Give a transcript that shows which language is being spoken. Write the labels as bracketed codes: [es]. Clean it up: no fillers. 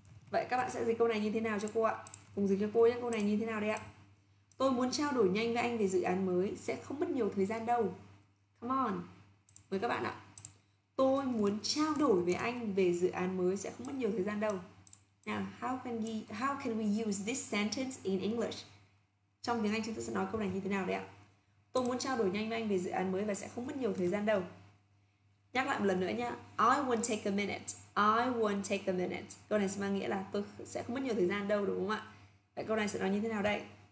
[vi] Vậy các bạn sẽ dịch câu này như thế nào cho cô ạ? Cùng dịch cho cô nhé, câu này như thế nào đây ạ? Tôi muốn trao đổi nhanh với anh về dự án mới. Sẽ không mất nhiều thời gian đâu. [en] Come on. [vi] Mời các bạn ạ. Tôi muốn trao đổi với anh về dự án mới. Sẽ không mất nhiều thời gian đâu. [en] Now, how can we use this sentence in English? [vi] Trong tiếng Anh chúng ta sẽ nói câu này như thế nào đấy ạ? Tôi muốn trao đổi nhanh với anh về dự án mới và sẽ không mất nhiều thời gian đâu. Nhắc lại một lần nữa nhá. [en] I won't take a minute. [vi] I won't take a minute. Câu này sẽ mang nghĩa là tôi sẽ không mất nhiều thời gian đâu, đúng không ạ? Vậy câu này sẽ nói như thế nào đây?